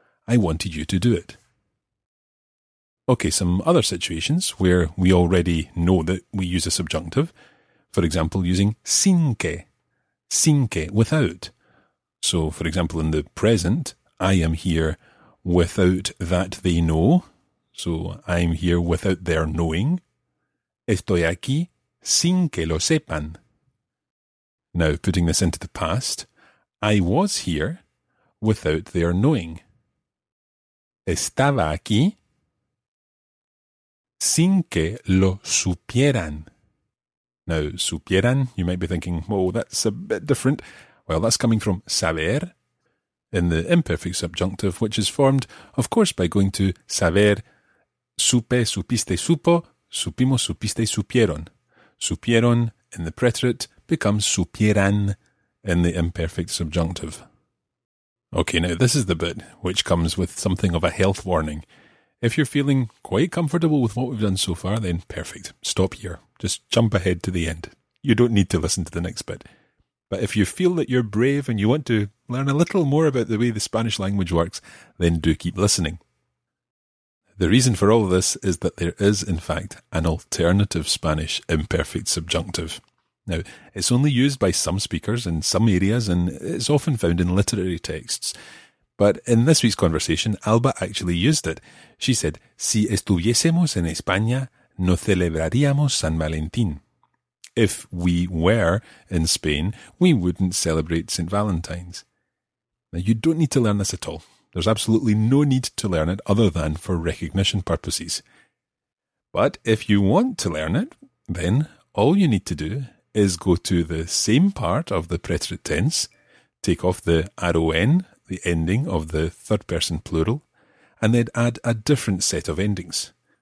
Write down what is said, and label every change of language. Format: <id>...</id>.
<en>I wanted you to do it. Okay, some other situations where we already know that we use a subjunctive. For example, using sin que. Sin que, without. So, for example, in the present, I am here without that they know. So, I'm here without their knowing.</en> <es>Estoy aquí sin que lo sepan.</es> <en>Now, putting this into the past, I was here without their knowing.</en> <es>Estaba aquí sin que lo supieran.</es> <en>Now, supieran, you might be thinking, oh, that's a bit different. Well, that's coming from saber in the imperfect subjunctive, which is formed, of course, by going to saber,</en> <es>supe, supiste, supo, supimos, supiste, supieron.</es> <en>Supieron in the preterite becomes supieran in the imperfect subjunctive. Okay, now this is the bit which comes with something of a health warning. If you're feeling quite comfortable with what we've done so far, then perfect. Stop here. Just jump ahead to the end. You don't need to listen to the next bit. But if you feel that you're brave and you want to learn a little more about the way the Spanish language works, then do keep listening. The reason for all of this is that there is, in fact, an alternative Spanish imperfect subjunctive. Now, it's only used by some speakers in some areas, and it's often found in literary texts. But in this week's conversation, Alba actually used it. She said,</en> <es>si estuviésemos en España, no celebraríamos San Valentín.</es> <en>If we were in Spain, we wouldn't celebrate St. Valentine's. Now, you don't need to learn this at all. There's absolutely no need to learn it other than for recognition purposes. But if you want to learn it, then all you need to do is go to the same part of the preterite tense, take off the R-O-N, the ending of the third person plural, and then add a different set of endings.</en>